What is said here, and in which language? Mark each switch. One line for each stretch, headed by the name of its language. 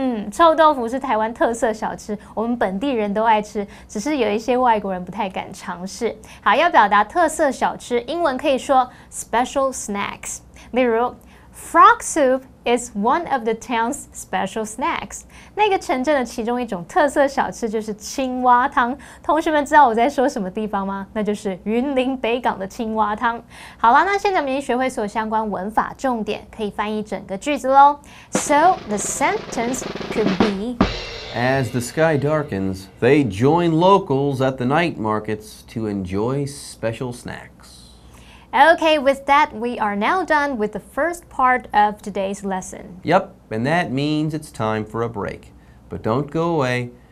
Chinese: 臭豆腐是台湾特色小吃，我们本地人都爱吃，只是有一些外国人不太敢尝试。好，要表达特色小吃，英文可以说
English: special snacks.
Chinese: 例如
English: frog soup is one of the town's special snacks.
Chinese: 那个城镇的其中一种特色小吃就是青蛙汤。同学们知道我在说什么地方吗？那就是云林北港的青蛙汤。好啦，那现在我们已经学会所有相关文法重点，可以翻译整个句子咯。
English: So the sentence could be... As the sky darkens, they join locals at the night markets to enjoy special snacks. Okay, with that, we are now done with the first part of today's lesson. Yep, and that means it's time for a break. But don't go away.